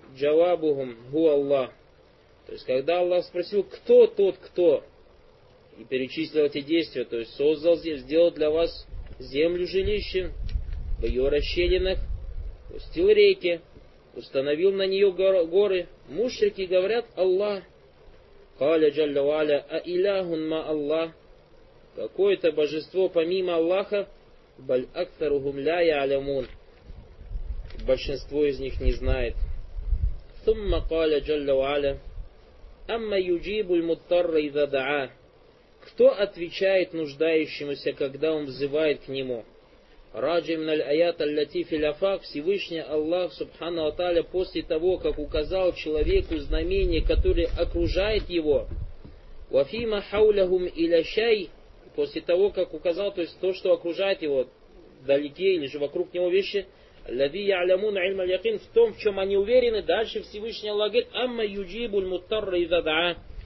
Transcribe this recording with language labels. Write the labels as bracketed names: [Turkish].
[Arabic] Джавабухум гу Аллах. [Russian] То есть, когда Аллах спросил, кто тот, кто, и перечислил эти действия, то есть создал, сделал для вас землю жилище в ее расщелинах, пустил реки, установил на нее горы, мушрики говорят: Аллах. [Arabic] Каля джалля валя, а иляхун ма Аллах. [Russian] Какое-то божество помимо Аллаха, [Arabic] баль актару гум ля я алямун. [Russian] Большинство из них не знает. [Arabic] ثم قال جل وعلا أما يجيب المضطر إذا دعا. [Russian] Кто отвечает нуждающемуся, когда он взывает к нему? [Arabic] Раджи мин аль-аят аль-лати фил афак. [Russian] Всевышний Аллах Субхана ва Тааля после того, как указал человеку знамение, которое окружает его, [Arabic] ва фима хаулахум иля шай, [Russian] после того, как указал, то есть то, что окружает его, вдалеке или же вокруг него вещи, в том, в чем они уверены, дальше Всевышний Аллах говорит: [Arabic] «Амма юджибуль муттарра иза даа».